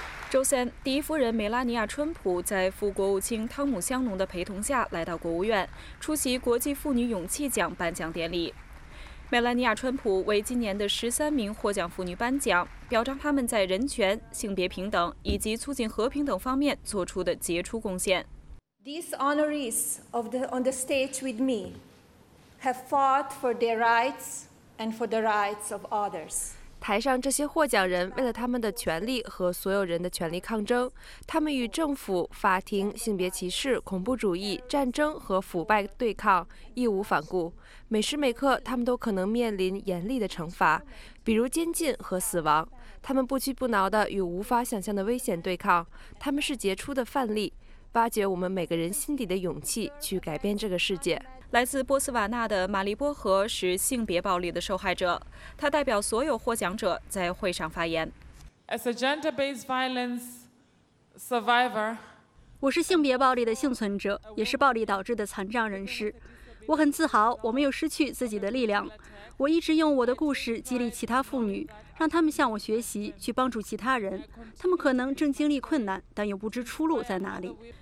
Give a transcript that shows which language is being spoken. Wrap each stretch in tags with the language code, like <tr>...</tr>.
<zh>周三，第一夫人梅拉尼亚·川普在副国务卿汤姆·香农的陪同下来到国务院，出席国际妇女勇气奖颁奖典礼。梅拉尼亚·川普为今年的13名获奖妇女颁奖，表彰他们在人权、性别平等以及促进和平等方面做出的杰出贡献。</zh> <en>These honorees of the on the stage with me have fought for their rights and for the rights of others.</en> <zh>台上这些获奖人为了他们的权利和所有人的权利抗争，他们与政府、法庭、性别歧视、恐怖主义、战争和腐败对抗，义无反顾。每时每刻，他们都可能面临严厉的惩罚，比如监禁和死亡。他们不屈不挠地与无法想象的危险对抗，他们是杰出的范例，挖掘我们每个人心底的勇气去改变这个世界。来自波斯瓦纳的玛丽波河是性别暴力的受害者，她代表所有获奖者在会上发言。</zh> <en>As a gender-based violence survivor,</en> <zh>我是性别暴力的幸存者，也是暴力导致的残障人士。我很自豪我没有失去自己的力量，我一直用我的故事激励其他妇女，让他们向我学习，去帮助其他人。他们可能正经历困难，但又不知出路在哪里。</zh>